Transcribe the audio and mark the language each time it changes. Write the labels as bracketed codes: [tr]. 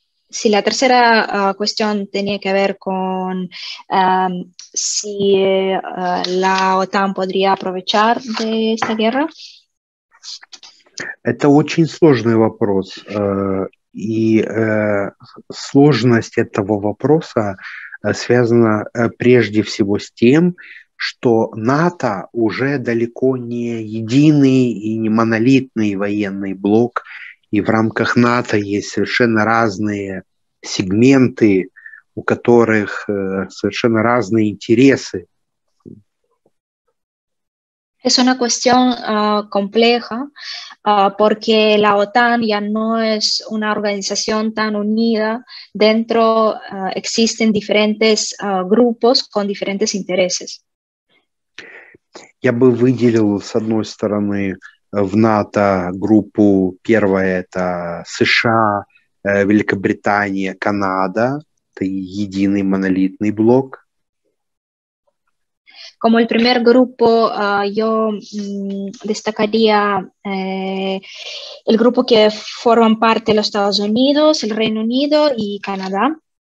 [es] Si la tercera cuestión tenía que ver con si la OTAN podría aprovechar de esta guerra. [ru] Это очень сложный вопрос. И сложность этого вопроса связано прежде всего с тем, что НАТО уже далеко не единый и не монолитный военный блок, и в рамках НАТО есть совершенно разные сегменты, у которых совершенно разные интересы. [es] Es una cuestión compleja porque la OTAN ya no es una organización tan unida. Dentro existen diferentes grupos con diferentes intereses. [ru] Я бы выделил, с одной стороны, в НАТО группу, первая – это США, Великобритания, Канада. Это единый монолитный блок. [es] Como el primer grupo, yo destacaría el grupo que forman parte los Estados Unidos, el Reino Unido y Canadá.